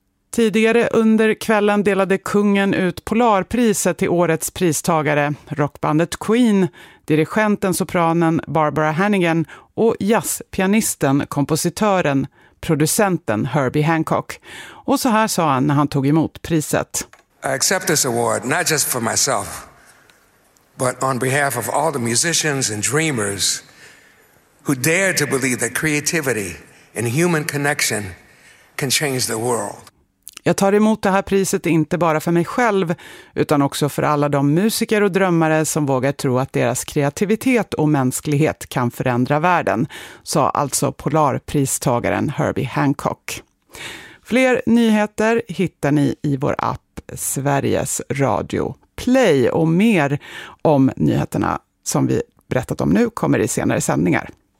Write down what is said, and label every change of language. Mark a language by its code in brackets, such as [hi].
[sv] Tidigare under kvällen delade kungen ut Polarpriset till årets pristagare. Rockbandet Queen, dirigenten sopranen Barbara Hannigan och jazzpianisten, kompositören, producenten Herbie Hancock. Och så här sa han när han tog emot priset. [en] I accept this award not just for myself, but on behalf of all the musicians and dreamers who dare to believe that creativity and human connection can change the world. [sv] Jag tar emot det här priset inte bara för mig själv utan också för alla de musiker och drömmare som vågar tro att deras kreativitet och mänsklighet kan förändra världen, sa alltså Polarpristagaren Herbie Hancock. Fler nyheter hittar ni i vår app Sveriges Radio Play och mer om nyheterna som vi berättat om nu kommer i senare sändningar.